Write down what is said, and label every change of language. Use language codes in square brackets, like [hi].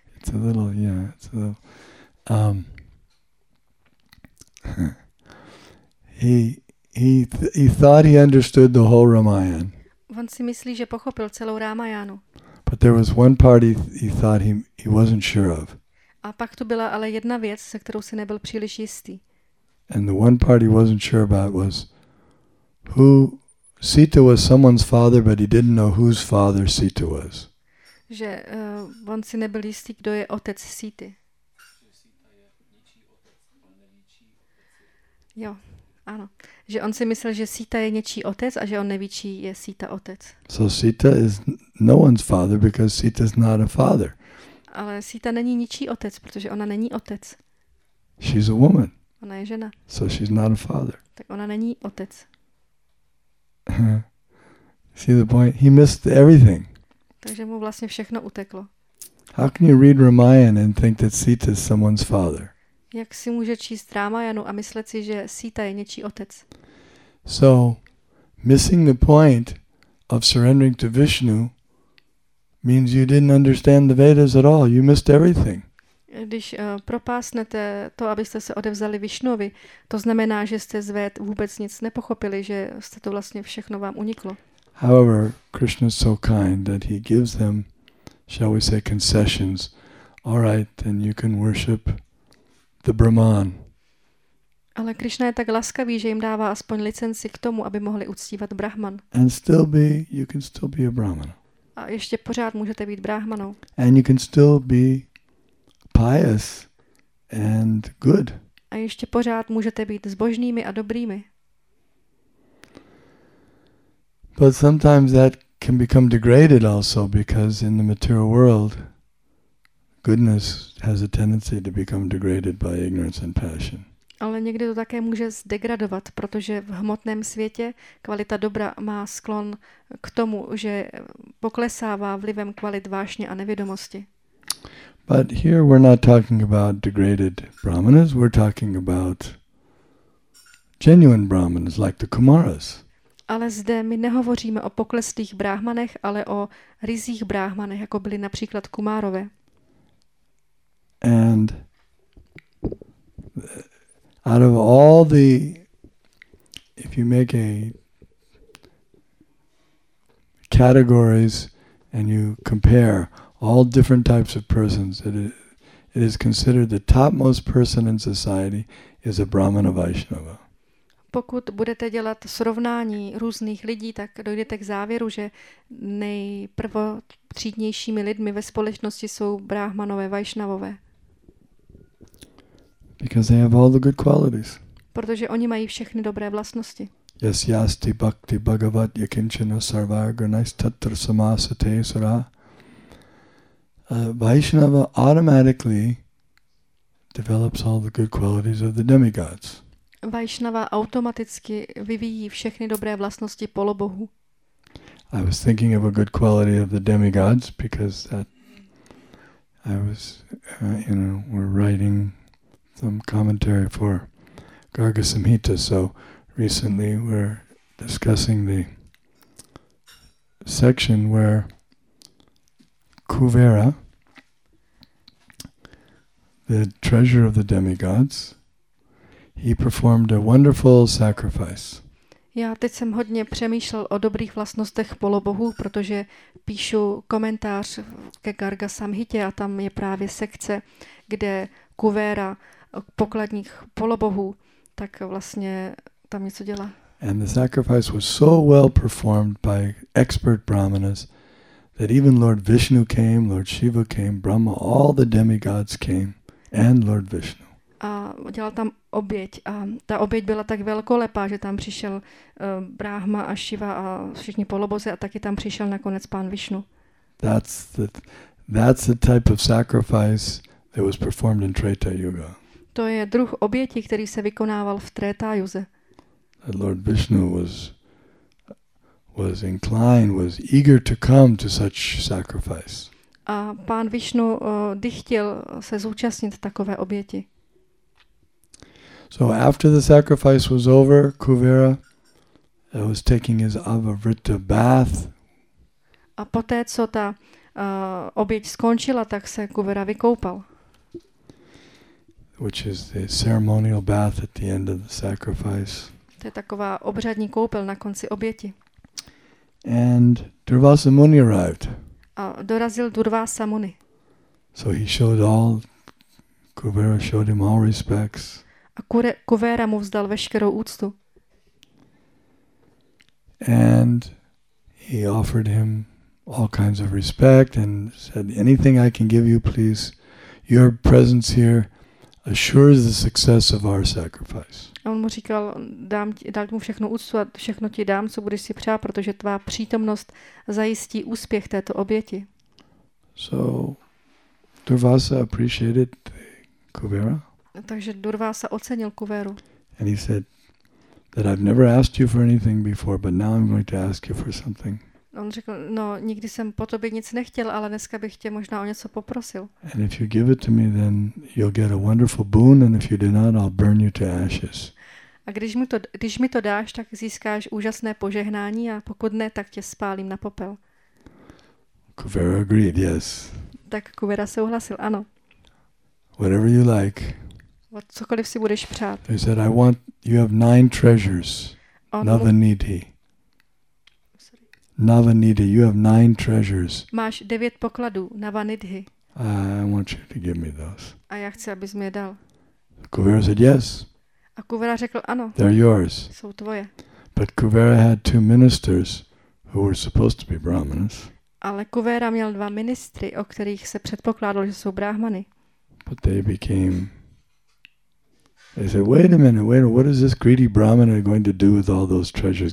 [en] It's a little, yeah, it's a little... He thought he understood the whole Ramayana. [cs] On si myslí, že pochopil celou Ramayanu. [en] But there was one part he thought he wasn't sure of. [cs] A pak tu byla ale jedna věc, se kterou si nebyl příliš jistý. [en] And the one part he wasn't sure about was who Sita was someone's father, but he didn't know whose father Sita was. [cs] Že on si nebyl jistý, kdo je otec Sity. Jo. Ano, že on si myslel, že Sita je něčí otec a že on neví, čí je Sita otec. [en] So Sita is no one's father because Sita is not a father. [cs] Ale Sita není ničí otec, protože ona není otec. [en] She's a woman. [cs] Ona je žena. [en] So she's not a father. [cs] Tak ona není otec. [en] See the point? He missed everything. [cs] Takže mu vlastně všechno uteklo. [en] How can you read Ramayana and think that Sita is someone's father? [cs] Jak si může číst Ramayanu a myslet si, že Sita je něčí otec? [en] So, missing the point of surrendering to Vishnu means you didn't understand the Vedas at all. You missed everything. [cs] Když propásnete to, abyste se odevzali Vishnovi, to znamená, že jste z Véd vůbec nic nepochopili, že jste to vlastně všechno vám uniklo. [en] However, Krishna is so kind that he gives them, shall we say, concessions. All right, then you can worship the Brahman. [cs] Ale Krishna je tak laskavý, že jim dává aspoň licenci k tomu, aby mohli uctívat Brahman. [en] And still be, you can still be a Brahman. [cs] A ještě pořád můžete být Brahmanou. [en] And you can still be pious and good. [cs] A ještě pořád můžete být zbožnými a dobrými. [en] But sometimes that can become degraded also because in the material world goodness has a tendency to become degraded by ignorance and passion. [cs] Ale někdy to také může zdegradovat, protože v hmotném světě kvalita dobra má sklon k tomu, že poklesává vlivem kvalit vášně a nevědomosti. [en] But here we're not talking about degraded brahmanas, we're talking about genuine brahmanas like the Kumaras. [cs] Ale zde my nehovoříme o pokleslých brahmanech, ale o ryzích brahmanech, jako byli například Kumárové. [en] And out of all the, if you make a categories and you compare all different types of persons, it is considered the topmost person in society is a Brahmana Vaishnava. [cs] Pokud budete dělat srovnání různých lidí, tak dojdete k závěru, že nejprvotřídnějšími lidmi ve společnosti jsou Brahmanové Vaishnavové. [en] Because they have all the good qualities. [cs] Protože oni mají všechny dobré vlastnosti. [en] Yes, [sa] yasti bhakti bhagavat yakinchana sarvagunaistatra samasate sara. [en] Vaishnava automatically develops all the good qualities of the demigods. [cs] Vaishnava automaticky vyvíjí všechny dobré vlastnosti polobohu. [en] I was thinking of a good quality of the demigods because that I was, we're writing some commentary for Garga Samhita, so recently we're discussing the section where Kuvera, the treasure of the demigods, he performed a wonderful sacrifice. [cs] Já teď jsem hodně přemýšlel o dobrých vlastnostech polobohů, protože píšu komentář ke Garga Samhitě a tam je právě sekce, kde Kuvera pokladních polobohů, tak vlastně tam něco dělá. [en] And the sacrifice was so well performed by expert brahmanas that even Lord Vishnu came, Lord Shiva came, Brahma, all the demigods came and Lord Vishnu. [cs] A dělal tam oběť a ta oběť byla tak velkolepá, že tam přišel Brahma a Shiva a všichni poloboze a taky tam přišel nakonec pán Vishnu. [en] That's the type of sacrifice that was performed in Treta Yuga. [cs] To je druh oběti, který se vykonával v Treta Yuze. [en] Lord Vishnu was inclined, was eager to come to such sacrifice. [cs] A pán Vishnu dychtil se zúčastnit takové oběti. [en] So after the sacrifice was over, Kuvera was taking his avavritta bath. [cs] A poté, co ta oběť skončila, tak se Kuvera vykoupal. [en] Which is the ceremonial bath at the end of the sacrifice. [cs] To je taková obřadní koupel na konci oběti. [en] And Durvasa Muni arrived. [cs] A dorazil Durvasa Muni. [en] So he showed all, Kuvera showed him all respects. [cs] A Kuvera mu vzdal veškerou úctu. [en] And he offered him all kinds of respect and said, anything I can give you, please, your presence here assures the success of our sacrifice. [cs] A on mu říkal, dal mu všechno úctu a všechno ti dám, co budeš si přát, protože tvá přítomnost zajistí úspěch této oběti. [en] So Durvasa appreciated Kuvera. [cs] Takže Durvasa ocenil Kuveru. [en] And he said that I've never asked you for anything before, but now I'm going to ask you for something. [cs] On řekl, no, nikdy jsem po tobě nic nechtěl, ale dneska bych tě možná o něco poprosil. [en] And if you give it to me, then you'll get a wonderful boon, and if you do not, I'll burn you to ashes. [cs] A když mi to dáš, tak získáš úžasné požehnání, a pokud ne, tak tě spálím na popel. [en] Kuvera agreed, yes. [cs] Tak Kuvera souhlasil, ano. [en] Whatever you like. [cs] Cokoliv si budeš přát. [en] He said, I want, you have 9 treasures. Navanidhi. Navanidhi, you have 9 treasures. [cs] Máš 9 pokladů, Navanidhi. [en] I want you to give me those. [cs] A já chci, abys mi je dal. [en] Kuvera said, yes. [cs] A Kuvera řekl, ano. [en] They're yours. [cs] Jsou tvoje. [en] But Kuvera had 2 ministers who were supposed to be brahmanas. [cs] Ale Kuvera měl 2 ministry, o kterých se předpokládalo, že jsou brahmany. [en] But they became... They said, wait a minute, what is this greedy brahmana going to do with all those treasures?